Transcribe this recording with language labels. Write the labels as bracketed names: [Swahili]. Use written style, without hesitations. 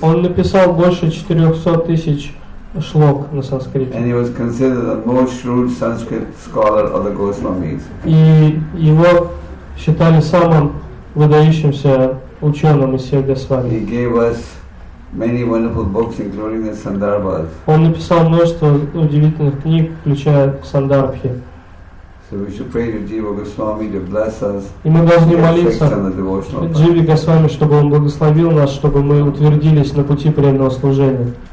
[Russian] Он написал больше 400,000 шлок на санскрите. [English] And he was considered the most shrewd Sanskrit scholar of the Goswamis. [Russian] И его считали самым выдающимся ученым из всех Госвами. [English] He gave us many wonderful books, including the Sandarbhas. [Russian] Он написал множество удивительных книг, включая Сандарбхи. [English] So we should pray to Jiva Goswami to bless us. [Russian] И мы должны молиться Дживе Госвами, чтобы он благословил нас, чтобы мы утвердились на пути преданного служения.